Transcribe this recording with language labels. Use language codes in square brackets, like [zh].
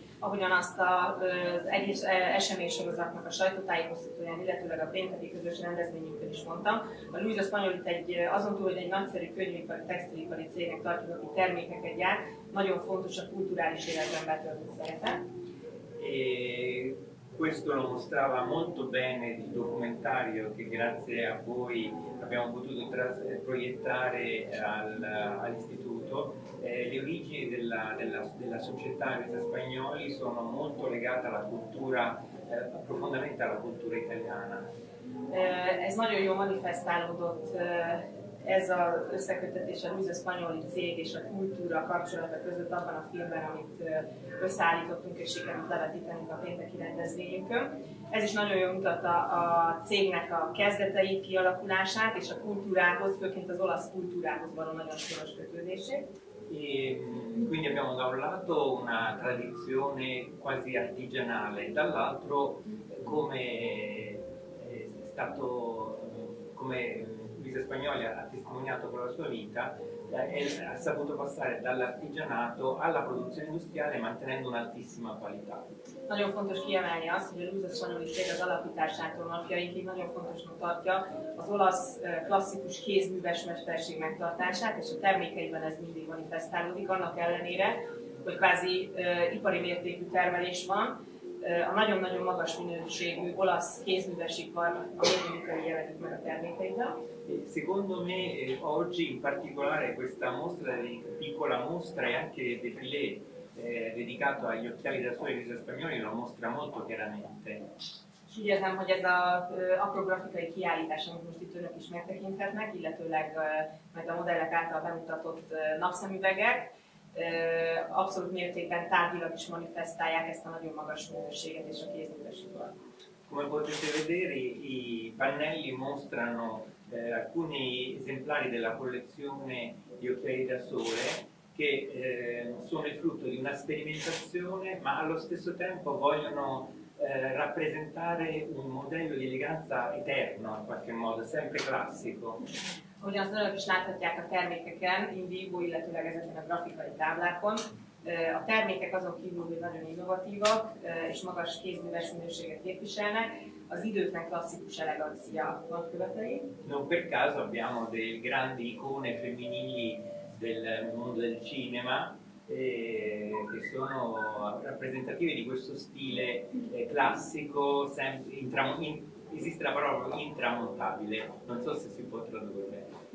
[hu] Ahogyan azt az egész eseménysorozatnak a sajtótájékoztatóján, illetőleg a pénteki közös rendezvényünkön is mondtam, a Luisa Spagnolit egy azon túl, hogy egy nagyszerű könyvipari, textilipari cégnek tartjuk, aki termékeket gyárt, nagyon fontos a kulturális életben betöltött szerepe. [it] E questo lo mostrava molto bene il documentario che grazie a voi abbiamo potuto proiettare all'istituto. Le origini della società Luisa Spagnoli sono molto legate alla cultura, profondamente alla cultura italiana. [hu] Ez nagyon jó manifestálódott ez a összekötetés a Luisa Spagnoli cég és a kultúra kapcsolata között abban a filmben, amit összeállítottunk és sikerült levetítenünk a pénteki rendezvényünkön. Ez is nagyon jól mutatta a cégnek a kezdeteit, kialakulását és a kultúrához, főként az olasz kultúrához való nagyon szoros kötődését. [it] E quindi abbiamo da un lato una tradizione quasi artigianale, dall'altro come è stato, come Luisa Spagnoli ha testimoniato con la sua vita, ha saputo passare dall'artigianato alla produzione industriale mantenendo un'altissima qualità. [hu] Nagyon fontos kiemelni azt, hogy a Luisa Spagnoli cég az alapításától napjainkig nagyon fontosnak tartja az olasz klasszikus kézműves mesterség megtartását, és a termékeiben ez mindig manifestálódik, annak ellenére, hogy kvázi ipari mértékű termelés van, a nagyon-nagyon magas minőségű olasz kézműves ipar, amikor jelenik meg a termékeiben. [it] Secondo me oggi in particolare questa mostra, piccola mostra e anche defilé dedicato agli occhiali da sole Luisa Spagnoli lo mostra molto chiaramente. [hu] Figyelzem, hogy ez az akrografikai kiállítás, amit most itt önök is megtekinthetnek, illetőleg majd a modellek által bemutatott napszemüvegek, abszolút mértékben tárgyilag is manifestálják ezt a nagyon magas minőséget és a kézművesiparot. [it] Come potete vedere, i pannelli mostrano alcuni esemplari della collezione di occhiali da sole che sono il frutto di una sperimentazione, ma allo stesso tempo vogliono rappresentare un modello di eleganza eterno, in qualche modo, sempre classico. [hu] Ugyanazonok is láthatják a termékeken, in vivo, illetőleg ezeken a grafikai táblákon. A termékek azon kívül, hogy nagyon innovatívak és magas kézműves minőséget képviselnek, az időknek klasszikus elegancia nagykövetei. [it] Non per caso abbiamo delle grandi icone femminili del mondo del cinema, che sono rappresentative di questo stile classico, sempre esiste la parola intramontabile, non so se si può tradurre.